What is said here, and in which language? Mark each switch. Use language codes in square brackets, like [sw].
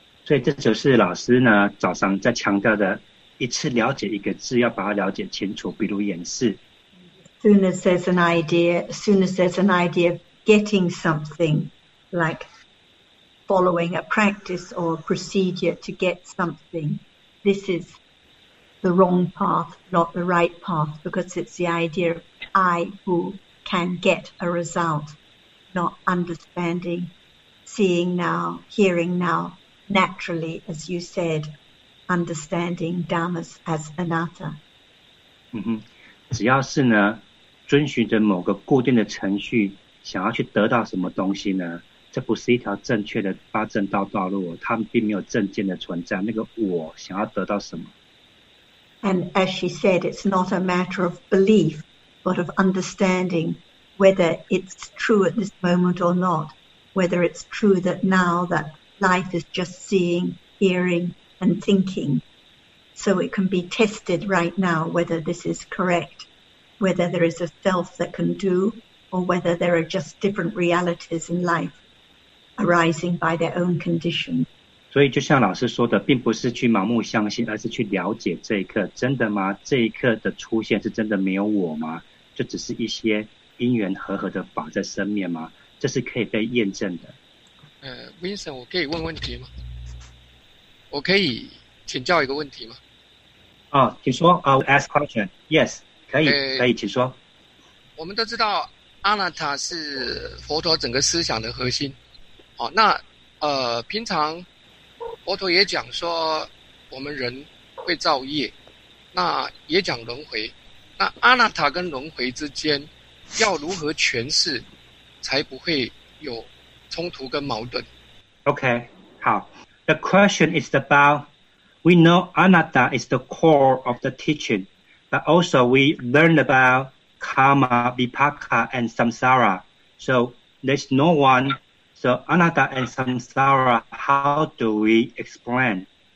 [zh] 所以这就是老师呢早上在强调的，一次了解一个字要把它了解清楚，比如眼识。 [en] As soon as there's an idea, getting something, like following a practice or a procedure to get something, this is the wrong path, not the right path, because it's the idea of I who can get a result, not understanding, seeing now, hearing now, naturally, as you said, understanding dhammas as anatta. Mm-hmm. [zh] 遵循着某个固定的程序，想要去得到什么东西呢？这不是一条正确的八正道道路，他们并没有正见的存在。那个我想要得到什么 [en] ？And as she said, it's not a matter of belief, but of understanding whether it's true at this moment or not. Whether it's true that now that life is just seeing, hearing, and thinking, so it can be tested right now whether this is correct. Whether there is a self that can do, or whether there are just different realities in life arising by their own condition. [zh] 所以就像老师说的，并不是去盲目相信，而是去了解这一刻，真的吗？这一刻的出现是真的没有我吗？就只是一些因缘和合的法在生灭吗？这是可以被验证的。 Vincent， 我可以问问题吗？我可以请教一个问题吗？啊，请说。 [en] Ask question. Yes. [zh] 可以，请说。我们都知道阿那塔是佛陀整个思想的核心。好，那平常佛陀也讲说我们人会造业，那也讲轮回。那阿那塔跟轮回之间要如何诠释才不会有冲突跟矛盾？OK， 好。 [en] The question is about we know anatta is the core of the teaching. But also we learned about karma, vipaka, and samsara. So there's no one. So anatta and samsara, how do we explain?